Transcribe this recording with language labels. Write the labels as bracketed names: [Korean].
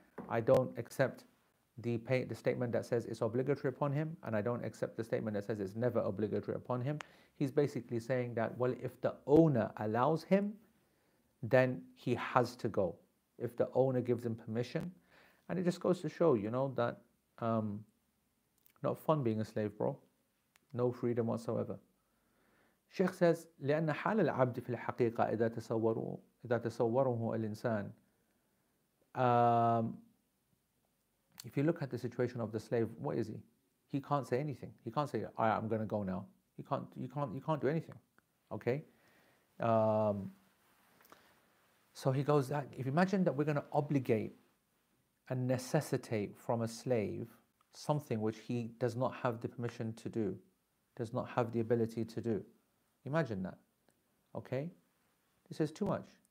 [English] I don't accept the statement that says it's obligatory upon him, and I don't accept the statement that says it's never obligatory upon him. He's basically saying that, well, if the owner allows him, then he has to go. If the owner gives him permission. And it just goes to show, you know, that not fun being a slave, bro. No freedom whatsoever. Sheikh says, [Arabic] لأن حال العبد في الحقيقة إذا تصوره الإنسان. [English] If you look at the situation of the slave, what is he? He can't say anything. He can't say, right, I'm going to go now. You can't do anything. Okay? So he goes, if you imagine that we're going to obligate and necessitate from a slave something which he does not have the permission to do, does not have the ability to do. Imagine that. Okay? This is too much.